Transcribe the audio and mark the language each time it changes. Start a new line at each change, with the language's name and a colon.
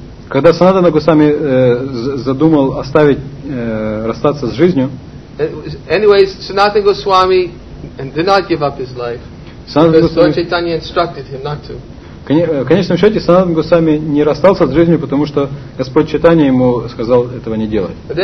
Russian: Когда Санатана Госвами задумал оставить, расстаться с жизнью.
English: Anyways, Sanatana Goswami did not give up his life. Lord Chaitanya instructed him not to.
Russian: В конечном счете Санатана Госвами не расстался с жизнью, потому что Господь Чайтанья ему сказал этого не делать.